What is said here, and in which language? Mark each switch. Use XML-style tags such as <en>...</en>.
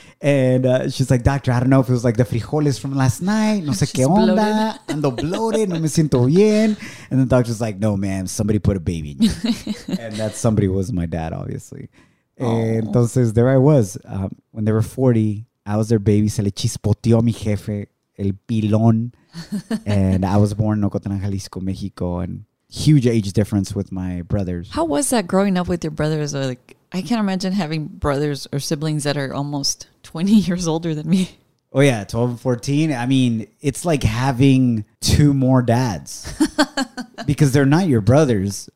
<en>And she's like, doctor, I don't know if it was like the frijoles from last night.</en> <es>No sé qué onda. Ando</es> <en>bloated.</en> <es>No me siento bien.</es> <en>And the doctor's like, no, ma'am, somebody put a baby in you. And that somebody was my dad, obviously. Entonces, there I was. When they were 40, I was their baby.</en> <es>Se le chispoteó mi jefe, el pilón.</es> <en>And I was born in Ocotlán, Jalisco, Mexico. And huge age difference with my brothers. How was that growing up with your brothers? Like, I can't imagine having brothers or siblings that are almost 20 years older than me. Oh, yeah. 12 and 14. I mean, it's like having two more dads because they're not your brothers.</en>